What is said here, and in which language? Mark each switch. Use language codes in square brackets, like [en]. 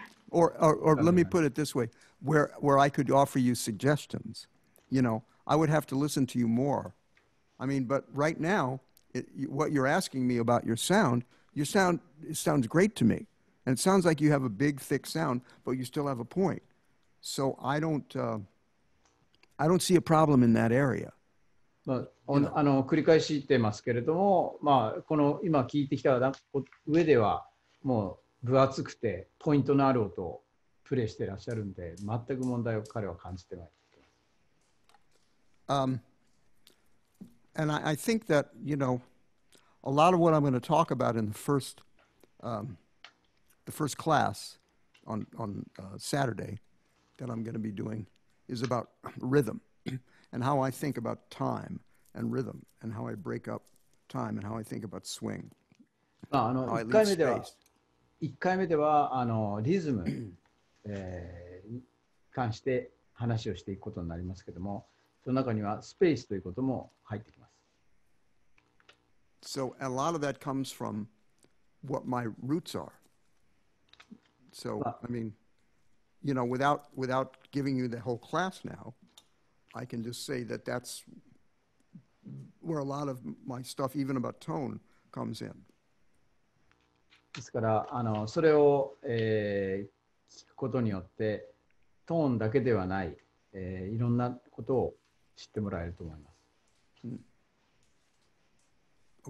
[en] Or let me put it this way, where I could offer you suggestions, you know, I would have to listen to you more. I mean, but right now, what you're asking me about your sound, it sounds great to me. And it sounds like you have a big, thick sound, but you still have a point. So I don't see a problem in that area. But, you know? [ja] 繰り返し言ってますけれども、まあ、この今聞いてきた上ではもう分厚くてポイントのある音をプレイしてらっしゃるんで、全く問題を彼は感じてない。 [en] And I think that, you know, a lot of what I'm going to talk about in the first class on Saturday that I'm going to be doing is about rhythm and how I think about time and rhythm and how I break up time and how I think about swing. [ja] まあ、1回目では。 1回目ではリズム、に関して話をしていくことになりますけども、その中にはスペースということも入ってきます。 [en] So a lot of that comes from what my roots are. So, I mean, you know, without giving you the whole class now, I can just say that that's where a lot of my stuff, even about tone, comes in. [ja] ですからそれを、聞くことによってトーンだけではない、いろんなことを知ってもらえると思います。